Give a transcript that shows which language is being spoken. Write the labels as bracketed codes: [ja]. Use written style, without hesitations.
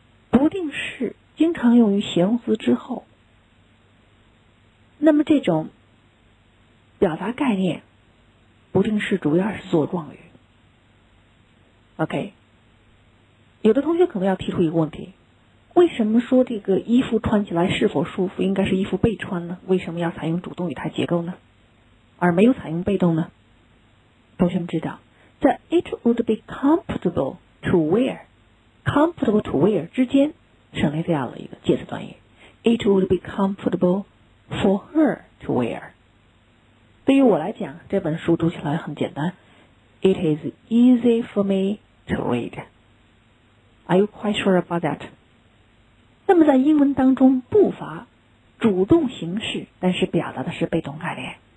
[zh] 不定式经常用于形容词之后那么这种表达概念不定式主要是做状语 OK 有的同学可能要提出一个问题为什么说这个衣服穿起来是否舒服应该是衣服被穿呢为什么要采用主动语态结构呢而没有采用被动呢同学们知道 [en] 在 It would be comfortable to wearComfortable to wear [zh] 之间省略掉了一个介词短语 [en] It would be comfortable for her to wear [zh] 对于我来讲这本书读起来很简单 [en] It is easy for me to read. Are you quite sure about that? [zh] 那么在英文当中，不乏主动形式，但是表达的是被动概念。